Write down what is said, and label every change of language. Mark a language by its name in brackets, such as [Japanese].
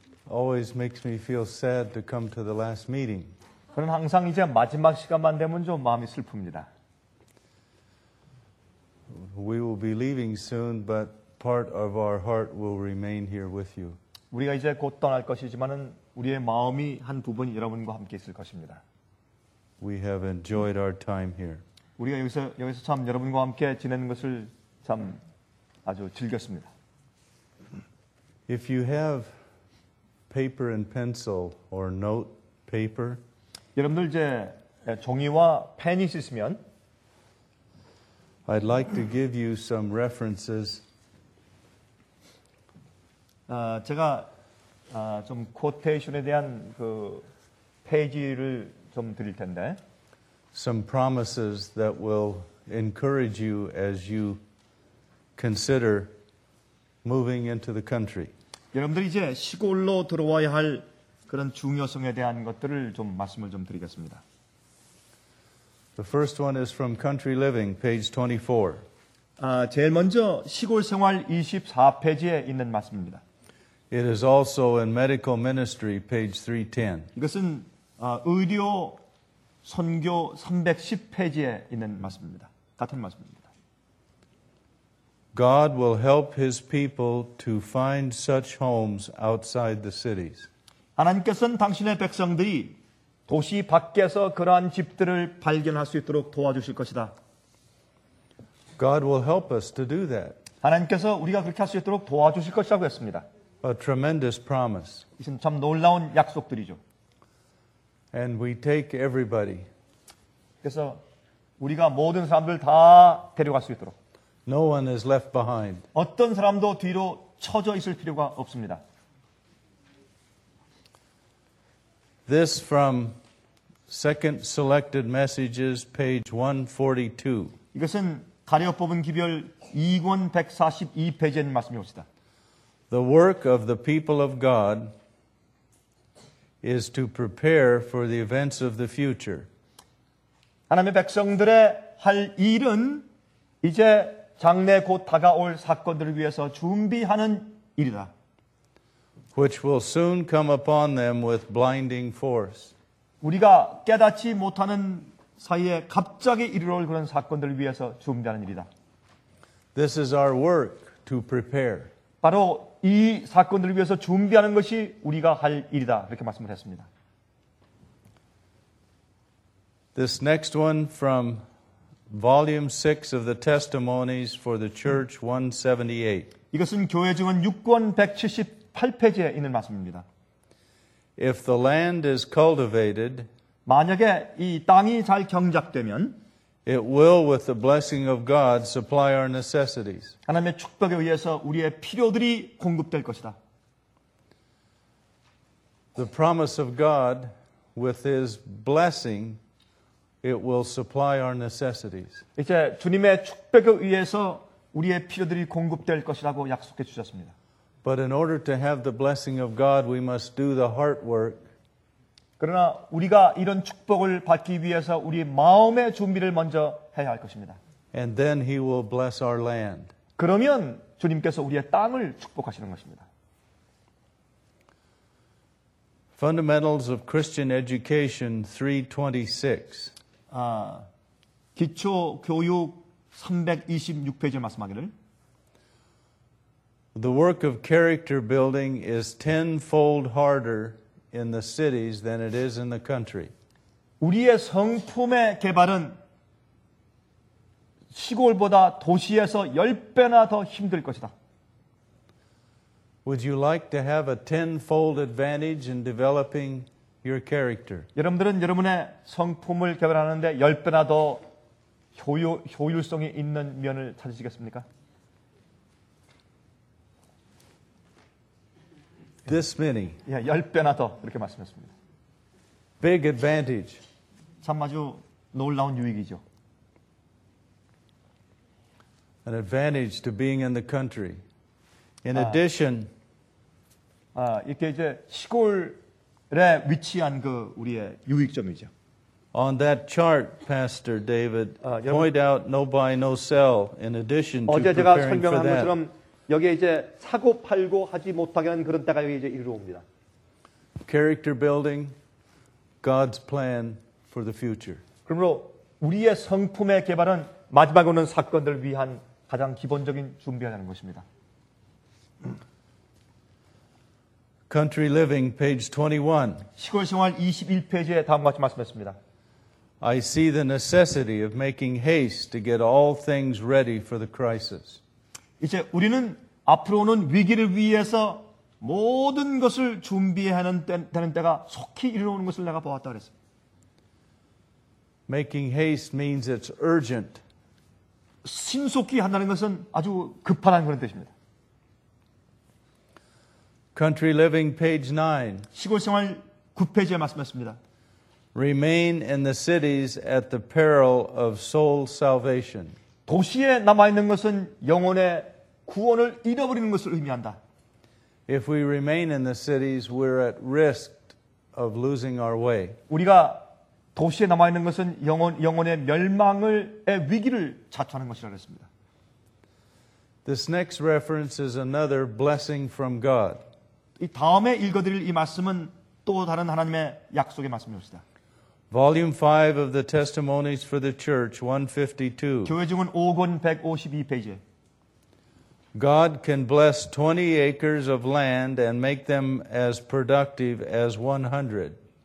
[English] Always makes me feel sad to come to the last meeting. [Korean] 저는 항상 이제 마지막 시간만 되면 좀 마음이 슬픕니다. [English] We will be leaving soon, but part of our heart will remain here with you. [Korean] 우리가 이제 곧 떠날 것이지만은 우리의 마음이 한 부분 여러분과 함께 있을 것입니다. [English] We have enjoyed our time here. [Korean] 우리가 여기서 참 여러분과 함께 지내는 것을 참 아주 즐겼습니다. [English] If you have paper and pencil or note paper, [Korean] 여러분들 이제 종이와 펜이 있으시면 [English] I'd like to give you some references. [Korean] 제가 좀 코테이션에 대한 그 페이지를 좀 드릴 텐데 [English] Some promises that will encourage you as you consider moving into the country. [Korean] 여러분들 이제 시골로 들어와야 할 그런 중요성에 대한 것들을 좀 말씀을 좀 드리겠습니다. [English] The first one is from Country Living, page 24. [Korean] 제일 먼저 시골 생활 24페이지에 있는 말씀입니다. [English] It is also in Medical Ministry, page 310. [Korean] 이것은 의료 선교 310페이지에 있는 말씀입니다. 같은 말씀입니다. [English] God will help his people to find such homes outside the cities. [Korean] 하나님께서는 당신의 백성들이 도시 밖에서 그러한 집들을 발견할 수 있도록 도와주실 것이다. [English] God will help us to do that. [Korean] 하나님께서 우리가 그렇게 할 수 있도록 도와주실 것이라고 했습니다. [English] A tremendous promise. [Korean] 이것은 참 놀라운 약속들이죠. [English] And we take everybody. [Korean] 그래서 우리가 모든 사람들 다 데려갈 수 있도록. [English] No one is left behind. [Korean] 어떤 사람도 뒤로 처져 있을 필요가 없습니다. [English] This from Second Selected Messages, page 142. [Korean] 이것은 가려 뽑은 기별 2권 142페이지에 있는 말씀입니다. [English] The work of the people of God is to prepare for the events of the future. [Korean] 하나님의 백성들의 할 일은 이제 장래 곧 다가올 사건들을 위해서 준비하는 일이다. [English] Which will soon come upon them with blinding force. [Korean] 우리가 깨닫지 못하는 사이에 갑자기 이르러 올 그런 사건들을 위해서 준비하는 일이다. [English] This is our work to prepare. [Korean] 바로 이 사건들을 위해서 준비하는 것이 우리가 할 일이다. 이렇게 말씀을 했습니다. [English] This next one from volume 6 of the testimonies for the church 178. [Korean] 이것은 교회 증언 6권 178페이지에 있는 말씀입니다. [English] If the land is cultivated, [Korean] 만약에 이 땅이 잘 경작되면 [English] It will, with the blessing of God, supply our necessities. [Korean] 하나님의 축복에 의해서 우리의 필요들이 공급될 것이다. [English] The promise of God, with His blessing, it will supply our necessities. [Korean] 이제 주님의 축복에 의해서 우리의 필요들이 공급될 것이라고 약속해 주셨습니다. [English] But in order to have the blessing of God, we must do the heart work. [Korean] 그러나 우리가 이런 축복을 받기 위해서 우리 마음의 준비를 먼저 해야 할 것입니다. [English] And then he will bless our land. [Korean] 그러면 주님께서 우리의 땅을 축복하시는 것입니다. [English] Fundamentals of Christian Education 326. [Korean] 기초 교육 326페이지 말씀하기를 [English] The work of character building is tenfold harder in the cities than it is in the country. [Korean] 우리의 성품의 개발은 시골보다 도시에서 10배나 더 힘들 것이다. [English] Would you like to have a tenfold advantage in developing your character? [Korean] 여러분들은 여러분의 성품을 개발하는데 10배나 더 효율성이 있는 면을 찾으시겠습니까? [English] This many. [Korean] 예, 열 배나 더 이렇게 말씀했습니다. [English] Big advantage. [Korean] 참 아주 놀라운 유익이죠. [English] An advantage to being in the country. In addition, [Korean] 이렇게 이제 시골에 위치한 그 우리의 유익점이죠. [English] On that chart, Pastor David, point out no buy, no sell in addition to preparing for that. [Korean] 어제 제가 설명한 것처럼 여기에 이제 사고 팔고 하지 못하게 하는 그런 때가 이제 이루어옵니다. [English] Character building, God's plan for the future. [Korean] 그러므로 우리의 성품의 개발은 마지막 오는 사건들을 위한 가장 기본적인 준비하는 것입니다. [English] Country Living, page 21. [Korean] 시골 생활 21페이지에 다음과 같이 말씀했습니다. [English] I see the necessity of making haste to get all things ready for the crisis. [Korean] 이제 우리는 앞으로 오는 위기를 위해서 모든 것을 준비하는 되는 때가 속히 이르러오는 것을 내가 보았다 그랬습니다. [English] Making haste means it's urgent. [Korean] 신속히 한다는 것은 아주 급하다는 그런 뜻입니다. [English] Country Living, page 9. [Korean] 시골생활 9페이지에 말씀했습니다. [English] Remain in the cities at the peril of soul salvation. [Korean] 도시에 남아있는 것은 영혼의 구원을 잃어버리는 것을 의미한다. [English] If we remain in the cities, we're at risk of losing our way. [Korean] 우리가 도시에 남아있는 것은 영혼의 멸망의 위기를 자초하는 것이라고 했습니다. [English] This next reference is another blessing from God. [Korean] 이 다음에 읽어드릴 이 말씀은 또 다른 하나님의 약속의 말씀입니다. [English] Volume 5 of the Testimonies for the Church, 152. [Korean] 교회 증언 5권 152페이지. [English] God can bless 20 acres of land and make them as productive as 100.